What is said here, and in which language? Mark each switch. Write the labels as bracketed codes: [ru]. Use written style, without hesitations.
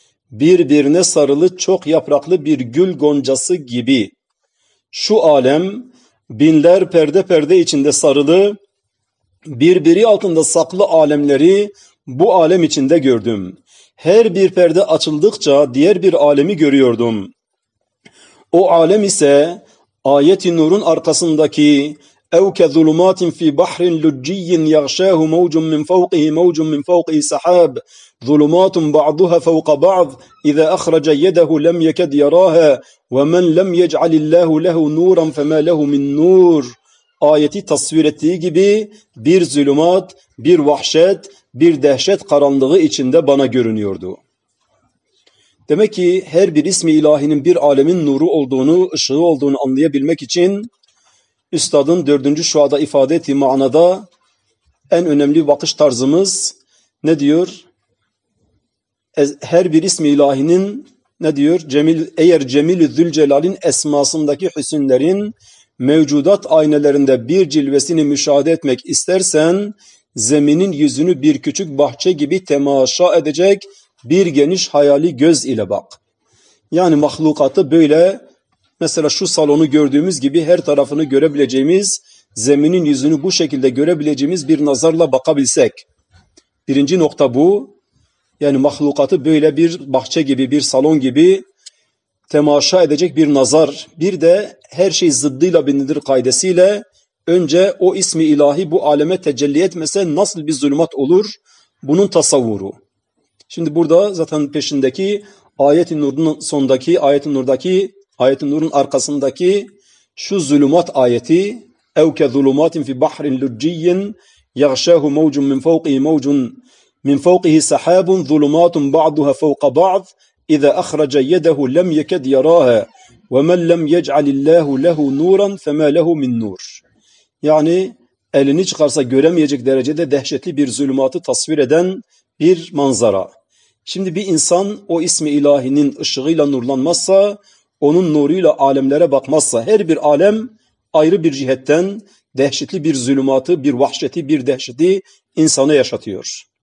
[tr] Birbirine sarılı çok yapraklı bir gül goncası gibi şu alem binler perde perde içinde sarılı birbiri altında saklı alemleri bu alem içinde gördüm. Her bir perde açıldıkça diğer bir alemi görüyordum. O alem ise ayet-i nurun arkasındaki [ar] اَوْكَ ظُلُمَاتٍ فِي بَحْرٍ لُجِّيٍ يَغْشَاهُ مَوْجٌ مِّنْ فَوْقِهِ مَوْجٌ مِّنْ فَوْقِهِ سَحَابٍ ظُلُمَاتٌ بَعْضُهَا فَوْقَ بَعْضٍ اِذَا اَخْرَجَ يَدَهُ لَمْ يَكَدْ يَرَاهَا وَمَنْ لَمْ يَجْعَلِ اللّٰهُ لَهُ نُورًا فَمَا لَهُ مِنْ نُورٍ [tr] Ayeti tasvir ettiği gibi bir zulümat, bir vahşet, bir dehşet karanlığı içinde bana görünüyordu. Demek ki her bir ismi ilahinin bir alemin nuru olduğunu, ışığı olduğunu anlayabilmek için üstadın dördüncü şuada ifade ettiği manada en önemli bakış tarzımız ne diyor? Her bir ismi ilahinin ne diyor? Eğer Cemil-i Zülcelal'in esmasındaki hüsünlerin mevcudat aynalarında bir cilvesini müşahede etmek istersen zeminin yüzünü bir küçük bahçe gibi temaşa edecek bir geniş hayali göz ile bak. Yani mahlukatı böyle mesela şu salonu gördüğümüz gibi her tarafını görebileceğimiz, zeminin yüzünü bu şekilde görebileceğimiz bir nazarla bakabilsek. Birinci nokta bu. Yani mahlukatı böyle bir bahçe gibi, bir salon gibi temaşa edecek bir nazar. Bir de her şey zıddıyla binidir kaidesiyle önce o ismi ilahi bu aleme tecelli etmese nasıl bir zulümat olur? Bunun tasavvuru. Şimdi burada zaten peşindeki ayet-i nurun sondaki, ayet-i nurdaki ayet-i nurun arkasındaki şu zulümat ayeti [ar] اَوْكَ ظُلُمَاتٍ فِي بَحْرٍ لُجِّيٍ يَغْشَاهُ مَوْجٌ مِّنْ فَوْقِهِ مَوْجٌ مِّنْ فَوْقِهِ سَحَابٌ ظُلُمَاتٌ بَعْضُهَا فَوْقَ بَعْضٍ اِذَا اَخْرَجَ يَدَهُ لَمْ يَكَدْ يَرَاهَا وَمَنْ لَمْ يَجْعَلِ اللّٰهُ لَهُ نُورًا فَمَا لَهُ مِنْ نُورٍ. [tr] Yani elini çıkarsa göremeyecek derecede dehşetli bir zulümatı tasvir eden bir manzara. Şimdi bir insan o ismi ilahinin ışığıyla nurlanmazsa, onun nuruyla alemlere bakmazsa, her bir alem ayrı bir cihetten dehşetli bir zulümatı, bir vahşeti, bir dehşeti insana yaşatıyor.